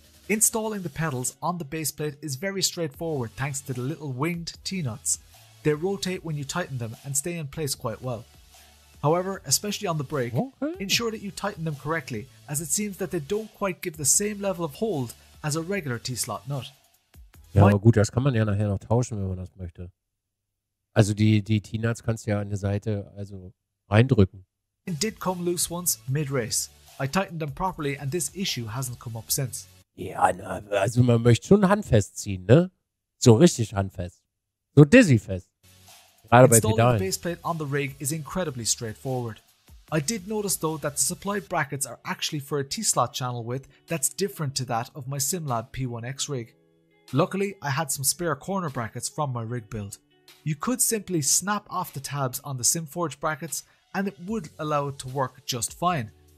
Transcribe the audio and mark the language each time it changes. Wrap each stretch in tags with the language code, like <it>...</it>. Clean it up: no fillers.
<en>Installing the pedals on the baseplate is very straightforward thanks to the little winged T-nuts. They rotate when you tighten them and stay in place quite well. However, especially on the brake, ensure that you tighten them correctly, as it seems that they don't quite give the same level of hold as a regular T-slot nut.</en> <de>Ja, aber gut, das kann man ja nachher noch tauschen, wenn man das möchte. Also die T-Nuts kannst du ja an der Seite also reindrücken.</de> <en>It did come loose once, mid-race. I tightened them properly and this issue hasn't come up since.</en> <de>Ja, na, also man möchte schon handfest ziehen, ne? So richtig handfest. So dizzy-fest. Gerade bei Pedalen.</de> <en>Installing the baseplate on the rig is incredibly straightforward. I did notice though that the supplied brackets are actually for a T-slot channel width that's different to that of my Simlab P1X rig. Luckily, I had some spare corner brackets from my rig build. You could simply snap off the tabs on the SimForge brackets and it would allow it to work just fine.</en>